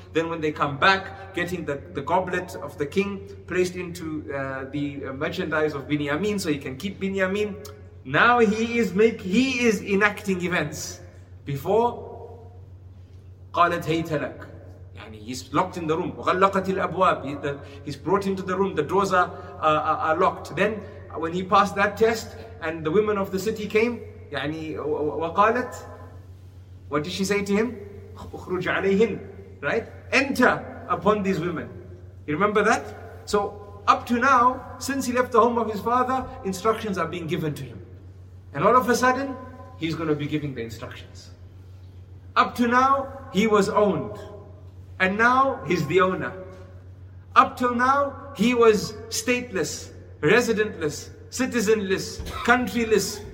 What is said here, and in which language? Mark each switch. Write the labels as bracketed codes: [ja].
[en] Then when they come back, getting the goblet of the king placed into the merchandise of Binyamin so he can keep Binyamin. Now he is enacting events. Before, [ar] قَالَتْ هَيْتَلَكْ. [en] He's locked in the room. [ar] وَغَلَّقَتِ الْأَبْوَابِ. [en] He's brought into the room. The doors are locked. Then when he passed that test and the women of the city came, [ar] يعني وقالت, [en] what did she say to him? [ar] اخرج عليهن, [en] right? Enter upon these women. You remember that? So up to now, since he left the home of his father, instructions are being given to him. And all of a sudden, he's going to be giving the instructions. Up to now, he was owned. And now, he's the owner. Up till now, he was stateless, residentless, citizenless, countryless.